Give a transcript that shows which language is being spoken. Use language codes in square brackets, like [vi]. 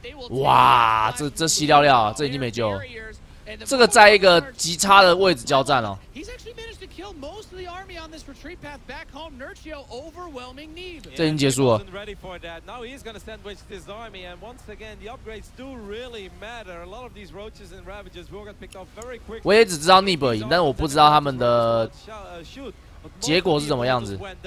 [zh] 哇，这吸掉料，这已经没救了。这个在一个极差的位置交战了。 [en] Most of the army on this retreat path back home. Nurture overwhelming need. [zh] 这已经结束了。 [en] Wasn't ready for that. Now he's going to sandwich this army, and once again, the upgrades do really matter. A lot of these roaches and ravages will get picked off very quickly. [zh] 我也只知道 Neep 而已，但我不知道他们的结果是怎么样子。